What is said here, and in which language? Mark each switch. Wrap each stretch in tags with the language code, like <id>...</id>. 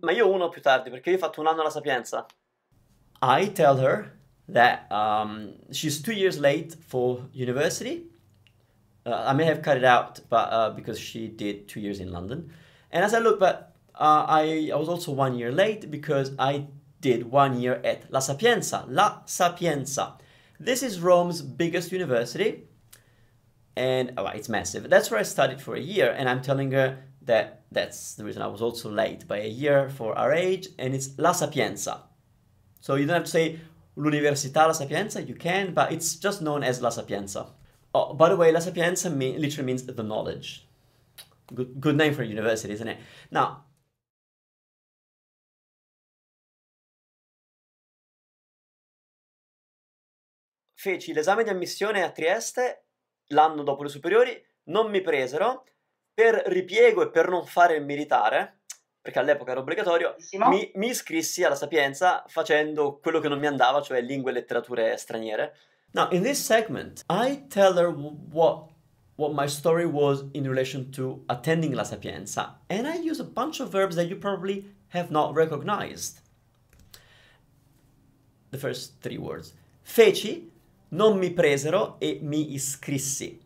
<it>Ma io uno più tardi, perché io ho fatto un anno alla Sapienza.</it> <en>I tell her that she's 2 years late for university. I may have cut it out, but because she did 2 years in London. And I said, look, but I was also 1 year late because I did 1 year at La Sapienza. La Sapienza. This is Rome's biggest university. And it's massive. That's where I studied for a year. And I'm telling her that that's the reason I was also late by a year for our age, and it's La Sapienza. So you don't have to say l'Università La Sapienza, you can, but it's just known as La Sapienza. Oh, by the way, La Sapienza literally means the knowledge. Good name for a university, isn't it? Now,</en> <it>feci l'esame di ammissione a Trieste l'anno dopo le superiori, non mi presero. Per ripiego e per non fare il militare, perché all'epoca era obbligatorio, mi iscrissi alla Sapienza facendo quello che non mi andava, cioè lingue e letterature straniere.</it> <en>Now, in this segment, I tell her what my story was in relation to attending la Sapienza, and I use a bunch of verbs that you probably have not recognized. The first 3 words.</en> <it>Feci, non mi presero e mi iscrissi.</it>